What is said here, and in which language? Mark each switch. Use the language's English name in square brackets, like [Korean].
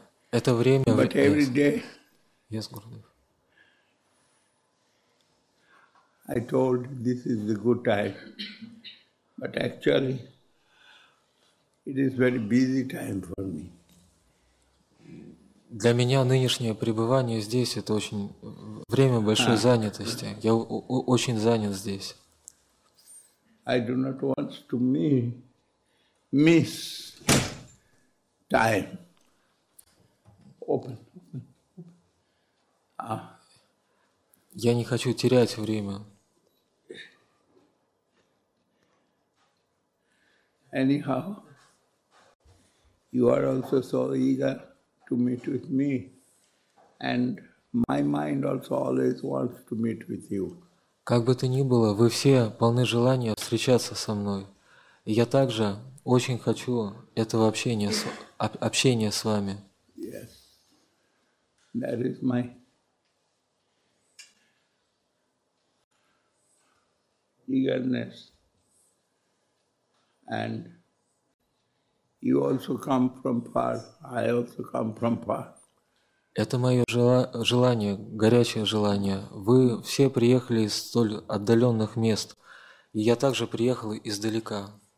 [Russian] Это время. [English] But every day. Yes, Gurudev. I told this is the good time. But actually, it is very busy time for me. [Russian] Для меня нынешнее пребывание здесь – это очень время большой занятости. Я очень занят здесь. [English] I do not want to miss time. Open. [Russian] Я не хочу терять время. [English] Anyhow, you are also so eager to meet with me, and my mind also always wants to meet with you. [Russian] Как бы то ни было, вы все полны желания встречаться со мной. Я также очень хочу этого общения с вами. [English] Yes, that is my. Eagerness, and you also come from far. I also come from far. [Russian] Это мое желание, горячее желание. Вы все приехали из столь отдаленных мест, и я также приехал издалека.